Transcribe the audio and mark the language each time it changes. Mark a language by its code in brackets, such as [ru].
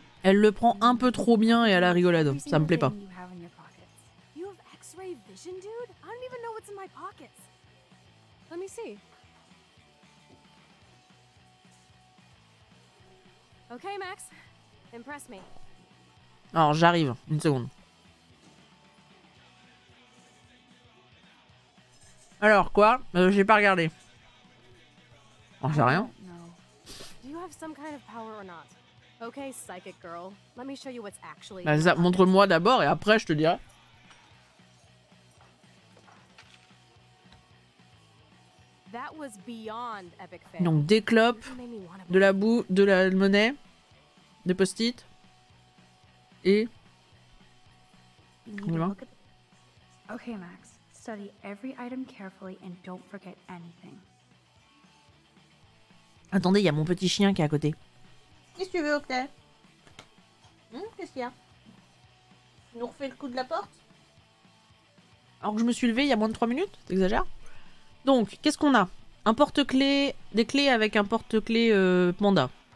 [fr] Elle le prend un peu trop bien et à la rigolade. Ça me plaît pas. [en] You have in your pockets. You have X-ray vision, dude? I don't even know what's in my pockets. Let me see. Okay, Max. Impress me. [fr] Alors, j'arrive. Une seconde. Alors, quoi? J'ai pas regardé. On sait rien. [en] Do you have some kind of power or not? Okay, psychic girl. Let me show you what's actually. [fr] Bah, ça, montre-moi d'abord et après je te dirai. [en] That was beyond epic fail. [fr] Donc des clopes, de la boue, de la monnaie, des post-it et voilà. [en] Okay, Max. Study every item carefully and don't forget anything. [fr] Attendez, il y a mon petit chien qui est à côté. Qu'est-ce que tu veux, Octet? Qu'est-ce qu'il y a? Tu nous refais le coup de la porte? Alors que je me suis levée il y a moins de 3 minutes, t'exagères? Donc, qu'est-ce qu'on a? Un porte-clés, des clés avec un porte-clés panda.